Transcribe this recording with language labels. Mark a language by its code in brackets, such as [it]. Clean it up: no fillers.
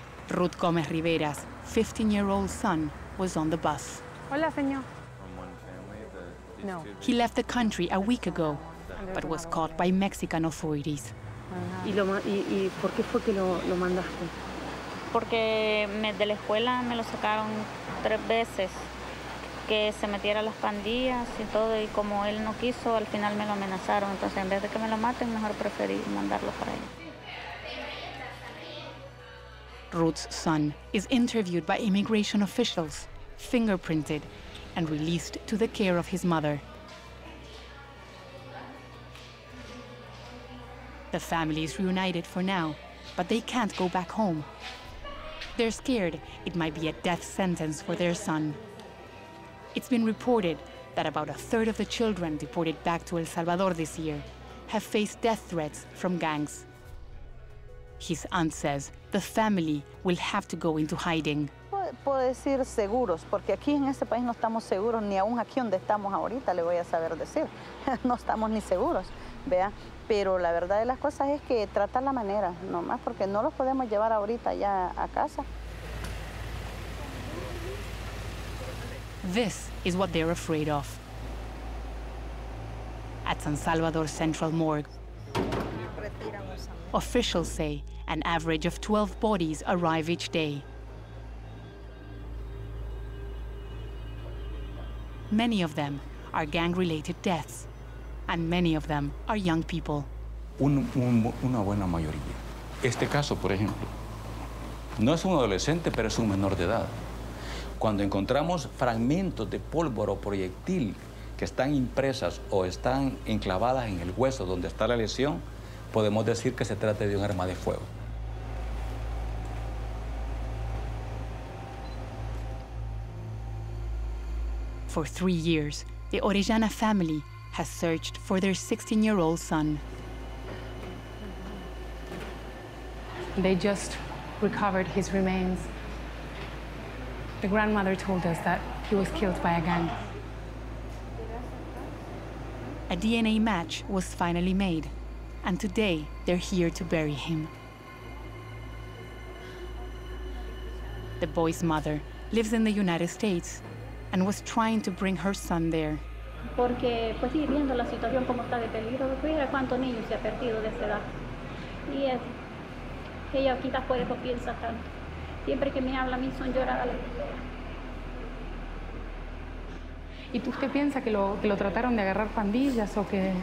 [en] Ruth Gomez Rivera's 15-year-old son was on the bus. [es] Hola, señor. No. [en] He left the country a week ago, but was caught by Mexican authorities. [es] ¿Y por qué fue que lo mandaste? Porque de la escuela me lo sacaron tres veces, que se metiera a las pandillas y todo, y como él no quiso, al final me lo amenazaron. Entonces, en vez de que me lo maten, mejor preferí mandarlo para allá. [en] Ruth's son is interviewed by immigration officials, fingerprinted, and released to the care of his mother. The family is reunited for now, but they can't go back home. They're scared it might be a death sentence for their son. It's been reported that about a third of the children deported back to El Salvador this year have faced death threats from gangs. His aunt says the family will have to go into hiding. [es] Puedo decir seguros, porque aquí en este país no estamos seguros, ni aún aquí donde estamos ahorita, le voy a saber decir. No estamos ni seguros, vea. Pero la verdad de las cosas es que trata la manera, nomás, porque no los podemos llevar ahorita ya a casa. [en] This is what they're afraid of. At San Salvador Central Morgue, officials say an average of 12 bodies arrive each day. Many of them are gang-related deaths, and many of them are young people. [es] Una buena mayoría. Este caso, por ejemplo, no es un adolescente, pero es un menor de edad. Cuando encontramos fragmentos de pólvora o proyectil que están impresas o están enclavadas en el hueso donde está la lesión, podemos decir que se trata de un arma de fuego. [en] For 3 years, the Orellana family has searched for their 16-year-old son. They just recovered his remains. The grandmother told us that he was killed by a gang. A DNA match was finally made, and today they're here to bury him. the boy's mother, lives in the United States and was trying to bring her son there. [es] Porque, pues sí, viendo la situación como está de peligro, mira cuántos niños se ha perdido de esa edad. Y es, ella quizás por eso piensa tanto. Siempre que me habla a mí son lloradas las personas. ¿Y tú usted piensa que lo trataron de agarrar pandillas o que...?